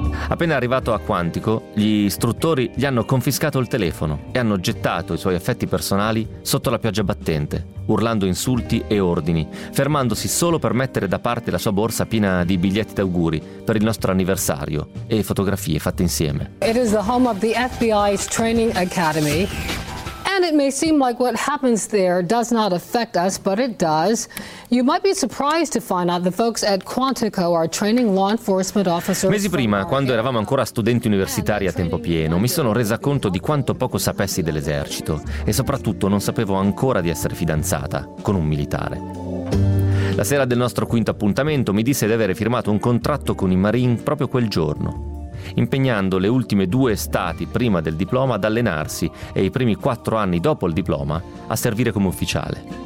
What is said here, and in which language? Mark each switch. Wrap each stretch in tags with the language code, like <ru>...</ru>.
<it>Appena arrivato a Quantico, gli istruttori gli hanno confiscato il telefono e hanno gettato i suoi effetti personali sotto la pioggia battente, urlando insulti e ordini, fermandosi solo per mettere da parte la sua borsa piena di biglietti d'auguri per il nostro anniversario e fotografie fatte insieme.</it> <en>It is the home of the FBI's Training Academy. And it may seem like what happens there does not affect us, but it does. You might be surprised to find out the folks at Quantico are training law enforcement officers.</en> <it>Mesi prima, quando eravamo ancora studenti universitari a tempo pieno, mi sono resa conto di quanto poco sapessi dell'esercito, e soprattutto non sapevo ancora di essere fidanzata con un militare. La sera del nostro quinto appuntamento mi disse di avere firmato un contratto con i Marine proprio quel giorno, impegnando le ultime 2 estati prima del diploma ad allenarsi e i primi 4 anni dopo il diploma a servire come ufficiale.</it>